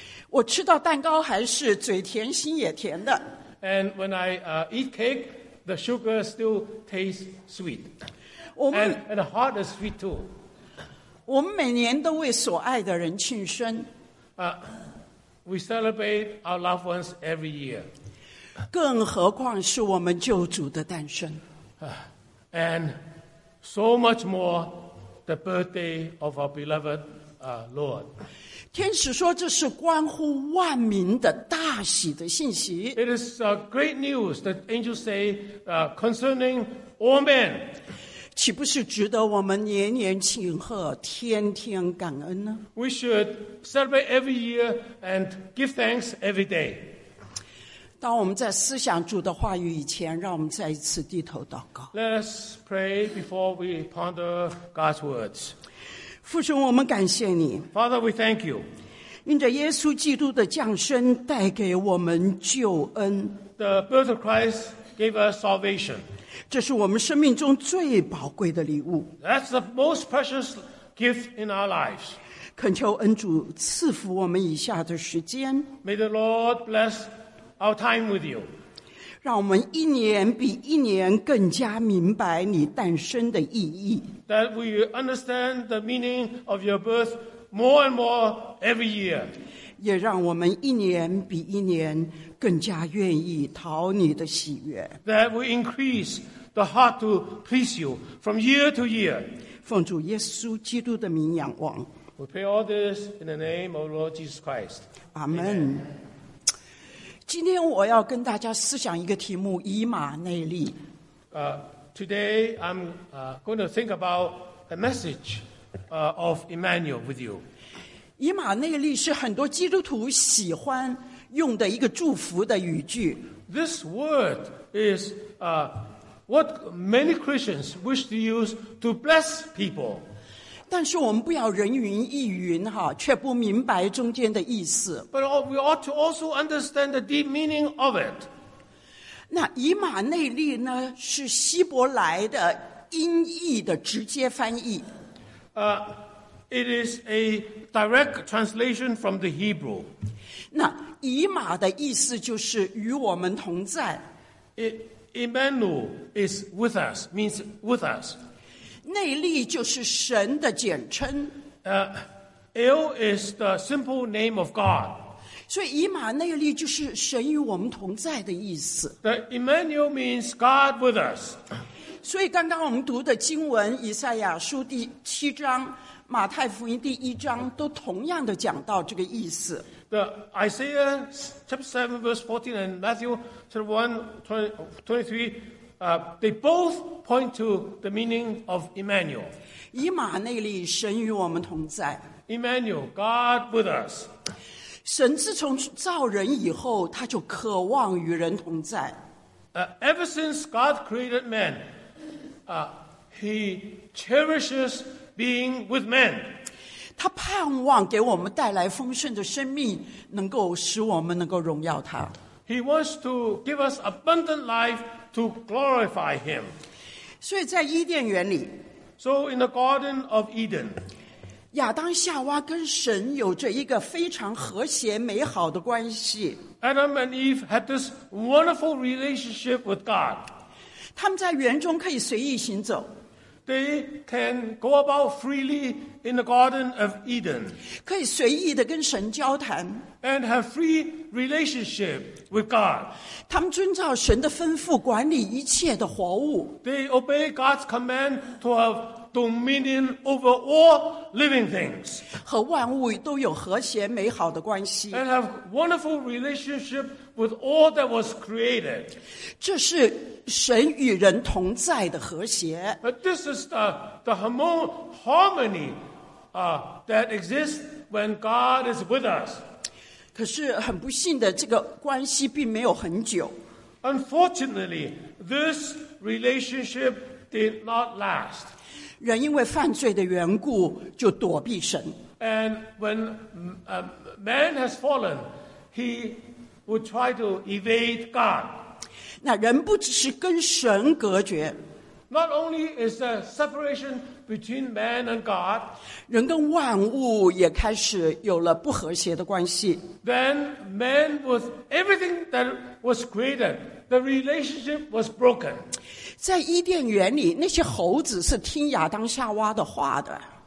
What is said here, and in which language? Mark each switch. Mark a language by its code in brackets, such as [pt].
[zh] 我吃到蛋糕还是嘴甜心也甜的。 [en] And when I eat cake, the sugar still tastes sweet. [zh] 我们 [en] and the heart is sweet too. [zh] 我们每年都为所爱的人庆生。 [en] We celebrate our loved ones every year. [zh] 更何况是我们救主的诞生。 [en] And so much more the birthday of our beloved Lord. [zh] 天使说这是关乎万民的大喜的信息。 [en] It is great news that angels say concerning all men. [zh] 岂不是值得我们年年庆贺，天天感恩呢？ [en] We should celebrate every year and give thanks every day. [zh] 当我们在思想主的话语以前，让我们再一次低头祷告。 [en] Let's pray before we ponder God's words. [zh] 父神，我们感谢你。 [en] Father, we thank you. [zh] 因着耶稣基督的降生带给我们救恩。 [en] The birth of Christ gave us salvation. [zh] 这是我们生命中最宝贵的礼物。 [en] That's the most precious gift in our lives. [zh] 恳求恩主赐福我们以下的时间。 [en] May the Lord bless our time with you. [zh] 让我们一年比一年更加明白你诞生的意义。 [en] That we understand the meaning of your birth more and more every year. [zh] 也让我们一年比一年更加愿意讨你的喜悦。 [en] That we increase the heart to please you from year to year. [zh] 奉主耶稣基督的名仰望。 [en] We pray all this in the name of Lord Jesus Christ. Amen. [zh] 今天我要跟大家思想一个题目，以马内利。 [en] Today I'm going to think about a message of Immanuel with you. [zh] 以马内利是很多基督徒喜欢用的一个祝福的语句。 [en] This word is what many Christians wish to use to bless people. [zh] 但是我们不要人云亦云，却不明白中间的意思。 [en] But we ought to also understand the deep meaning of it. [zh] 那以马内利呢，是希伯来的音译的直接翻译。 [en] It is a direct translation from the Hebrew. [zh] 那以马的意思就是与我们同在。 [en] Immanuel is with us, means with us. [zh] 内利就是神的简称。 [en] L is the simple name of God. [zh] 所以以马内利就是神与我们同在的意思。 [en] The Immanuel means God with us. [zh] 所以刚刚我们读的经文，以赛亚书第七章、马太福音第一章，都同样的讲到这个意思。 [en] The Isaiah chapter 7 verse 14 and Matthew chapter 1:23. They both point to the meaning of Immanuel. [zh] 以马内利，神与我们同在。 [en] Immanuel, God with us. [zh] 神自从造人以后，他就渴望与人同在。 [en] Ever since God created man, he cherishes being with man. [zh] 他盼望给我们带来丰盛的生命，能够使我们能够荣耀他。 [en] He wants to give us abundant life. To glorify him. [zh] 所以在伊甸园里 [en] So in the Garden of Eden, [zh] 亚当夏娃跟神有着一个非常和谐美好的关系。 [en] Adam and Eve had this wonderful relationship with God. [zh] 他们在园中可以随意行走。 [en] They can go about freely in the Garden of Eden. [zh] 可以随意地跟神交谈。 [en] And have free relationship with God. [zh] 他们遵照神的吩咐管理一切的活物。 [en] They obey God's command to have dominion over all living things. [zh] 和万物都有和谐美好的关系。 [en] And have wonderful relationship with all that was created. [zh] 这是神与人同在的和谐。 [en] But this is the harmony that exists when God is with us. [zh] 可是很不幸的，这个关系并没有很久。 [en] Unfortunately, this relationship did not last. [zh] 人因为犯罪的缘故就躲避神。 [en] And when a man has fallen, he would try to evade God. [zh] 那人不只是跟神隔绝。 [en] Not only is the separation between man and God, [zh] 人跟万物也开始有了不和谐的关系。 [en] Then man with everything that was created, the relationship was broken. [zh] 在伊甸园里，那些猴子是听亚当夏娃的话的。